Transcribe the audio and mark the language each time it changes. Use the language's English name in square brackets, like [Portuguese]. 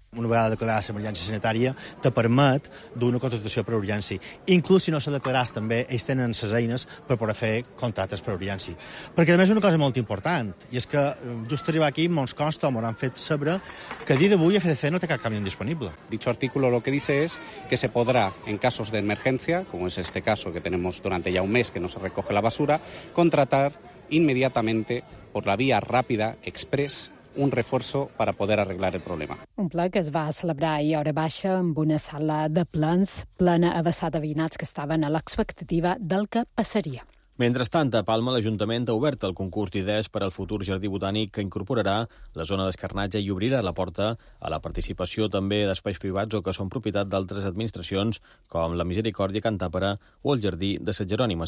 [Catalan] Una vegada declarada l'emergència sanitària, te permet d'una contractació per urgència. Inclús si no se declaràs, també ells tenen les eines per poder fer contractes per urgència. Perquè, a més, una cosa molt important, i és que just arribar aquí, mons consta, o m'han fet sabre, que a dia d'avui FCC no té cap camió disponible. [Spanish] Dicho artículo lo que dice es que se podrá, en casos de emergencia, como es este caso que tenemos durante ya un mes que no se recoge la basura, contratar inmediatamente, por la vía rápida, express, [Catalan] un reforç per poder arreglar el problema. Un ple que es va celebrar ahir a hora baixa amb una sala de plens plena a vessar de veïnats que estaven a l'expectativa del que passaria. Mentrestant, a Palma, l'Ajuntament ha obert el concurs d'idees per al futur jardí botànic que incorporarà la zona d'escarnatge i obrirà la porta a la participació també d'espais privats o que són propietat d'altres administracions, com la Misericòrdia Cantàpera o el Jardí de Sant Jerònim.